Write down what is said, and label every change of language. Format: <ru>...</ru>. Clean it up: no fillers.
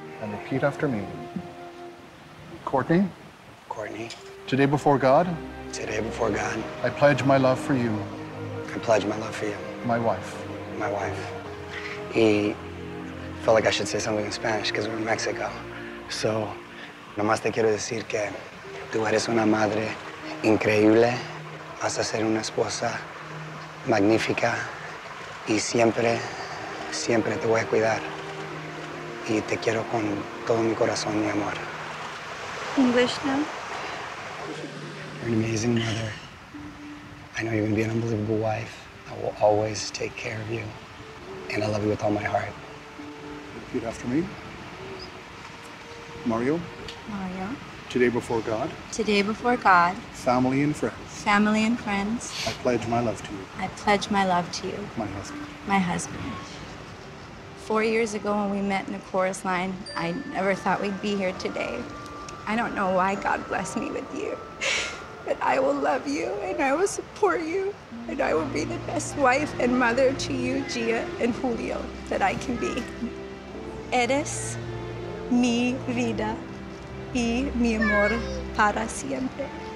<en>And repeat after me. Courtney. Courtney. Today before God. Today before God. I pledge my love for you. I pledge my love for you. My wife. My wife. He felt like I should say something in Spanish because we're in Mexico.</en> <es>So, nomás te quiero decir que tú eres una madre increíble, vas a ser una esposa magnífica y siempre, siempre te voy a cuidar. Y te quiero con todo mi corazón, mi amor.</es> <en>English now. You're an amazing mother. I know you're gonna be an unbelievable wife. I will always take care of you. And I love you with all my heart. Repeat after me. Mario. Mario. Today before God. Today before God. Family and friends. Family and friends. I pledge my love to you. I pledge my love to you. My husband. My husband. 4 years ago when we met in the chorus line, I never thought we'd be here today. I don't know why God blessed me with you. But I will love you, and I will support you, and I will be the best wife and mother to you, Gia and Julio, that I can be.</en> <es>Eres mi vida y mi amor para siempre.</es>